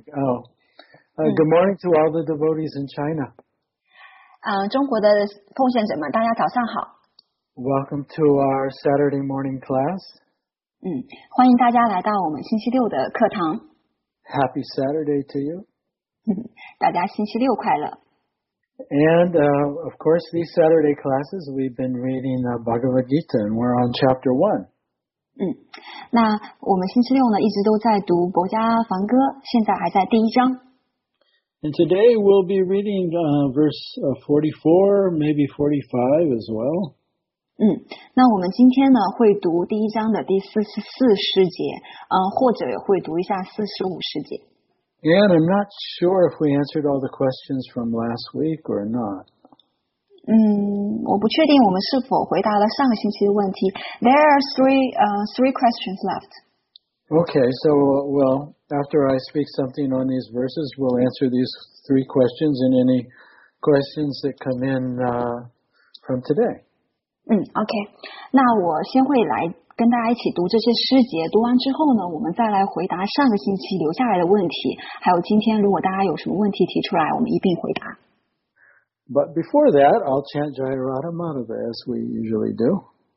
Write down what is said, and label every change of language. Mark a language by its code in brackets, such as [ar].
[en] Good morning to all the devotees in China. [zh] 中国的奉献者们，大家早上好。 [en] Welcome to our Saturday morning class. [zh] 欢迎大家来到我们星期六的课堂。 [en] Happy Saturday to you. [zh] 大家星期六快乐。 [en] And of course, these Saturday classes, we've been reading the Bhagavad Gita, and we're on chapter 1. [zh] 那我们星期六呢，一直都在读《摩迦梵歌》，现在还在第一章。 [en] And today we'll be reading verse 44, maybe 45 as well. [zh] 那我们今天呢，会读第一章的第44节，或者会读一下45节。 [en] Yeah, and I'm not sure if we answered all the questions from last week or not. [zh] 我不确定我们是否回答了上个星期的问题。 [en] There are three questions left. Okay, so, well, after I speak something on these verses, we'll answer these three questions and any questions that come in from today. Okay. [zh] 那我先会来跟大家一起读这些诗节，读完之后呢，我们再来回答上个星期留下来的问题，还有今天如果大家有什么问题提出来，我们一并回答。 [en] But before that, I'll chant Jaya Radha Madhava as we usually do.